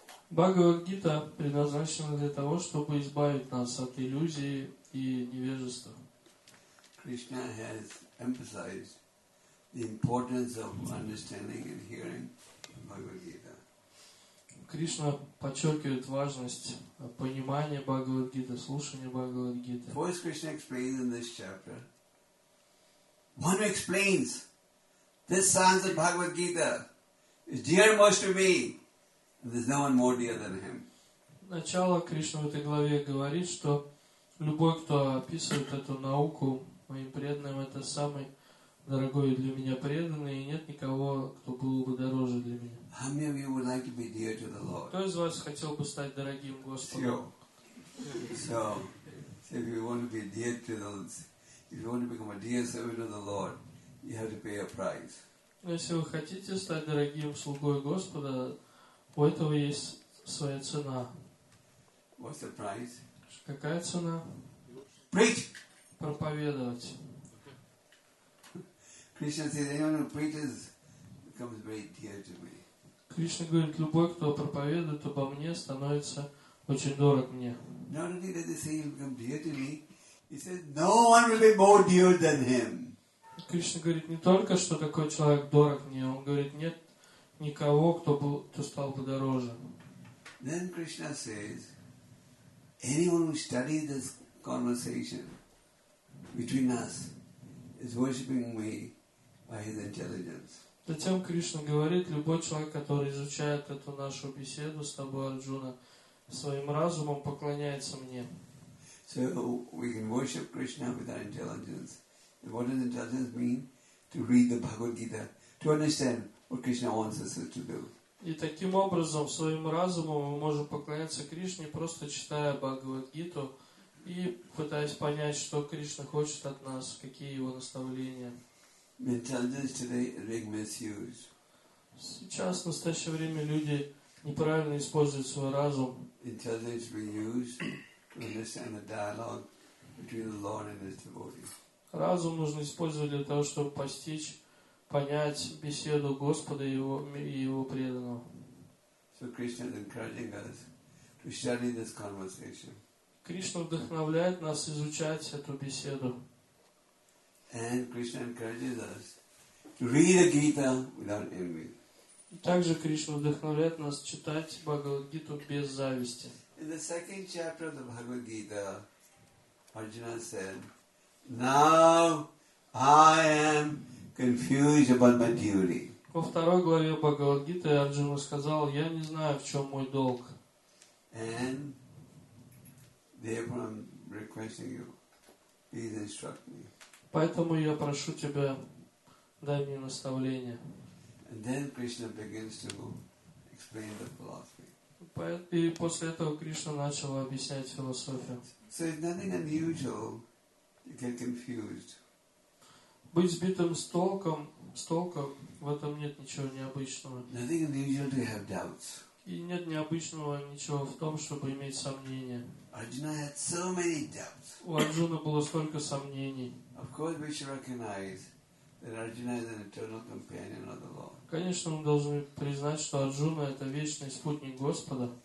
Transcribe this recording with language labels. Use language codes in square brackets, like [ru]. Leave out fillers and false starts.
[ru] Бхагавад-гита предназначена для того, чтобы избавить нас от иллюзии и невежества. [en] Krishna has emphasized the importance of understanding and hearing Bhagavad-gita. [ru] Кришна подчеркивает важность понимания Бхагавад-гиты, слушания Бхагавад-гиты. [en] First, Krishna explains in this chapter. One who explains this sounds like Bhagavad-gita is dear most to me. There's no one more dear than him. [ru] Начало Кришна в этой главе говорит, что любой, кто описывает эту науку моим преданным, это самый дорогой для меня преданный, и нет никого, кто был бы дороже для меня. [en] How many of you would like to be dear to the Lord? [ru] Кто из вас хотел бы стать дорогим Господом? [en] So, if you want to be dear to the Lord, if you want to become a dear servant of the Lord, you have to pay a price. [ru] Но если вы хотите стать дорогим слугой Господа, у этого есть своя цена. [en] What's the price? [ru] Какая цена? [en] Preach! [ru] Проповедовать. [en] Krishna says, anyone who preaches becomes very dear to me. [ru] Кришна говорит, любой, кто проповедует обо мне, становится очень дорог мне. [en] Not only does he say he will become dear to me, he says, no one will be more dear than him. [ru] Кришна говорит не только, что такой человек дорог мне, он говорит, нет никого, кто был, кто стал бы дороже. [en] Then Krishna says, anyone who studies this conversation between us is worshipping me by his intelligence. [ru] Затем Кришна говорит, любой человек, который изучает эту нашу беседу с тобой, Арджуна, своим разумом поклоняется мне. [en] So we can worship Krishna with our intelligence. And what does intelligence mean? To read the Bhagavad Gita, to understand what Krishna wants us to do. [ru] И таким образом, своим разумом мы можем поклоняться Кришне, просто читая Бхагавад-гиту и пытаясь понять, что Кришна хочет от нас, какие его наставления. [en] Intelligence today is being misused. [ru] Сейчас, в настоящее время, люди неправильно используют свой разум. [en] Intelligence being used to understand the dialogue between the Lord and his devotees. [ru] Разум нужно использовать для того, чтобы постичь, понять беседу Господа и его преданного. [en] So Krishna is encouraging us to study this conversation. [ru] Кришна вдохновляет нас изучать эту беседу. [en] And Krishna encourages us to read the Gita without envy. [ru] Также Кришна вдохновляет нас читать Бхагавад-гиту без зависти. [en] In the second chapter of the Bhagavad Gita, Arjuna said, Now I am confused about my duty. [ru] Во второй главе Бхагавад-гиты Арджуна сказал, я не знаю, в чем мой долг. [en] And therefore I'm requesting you, please instruct me. [ru] Поэтому я прошу тебя, дай мне наставление. [en] And then Krishna begins to explain the philosophy. [ru] И после этого Кришна начал объяснять философию. [en] So it's nothing unusual to get confused. [ru] Быть сбитым с толком, в этом нет ничего необычного. [en] Nothing unusual to have doubts. [ru] И нет необычного ничего в том, чтобы иметь сомнения. [en] Arjuna had so many doubts. [ru] У Арджуны было столько сомнений. [en] Of course we should recognize that Arjuna is an eternal companion of the Lord. [ru] Конечно, мы должны признать, что Арджуна это вечный спутник Господа.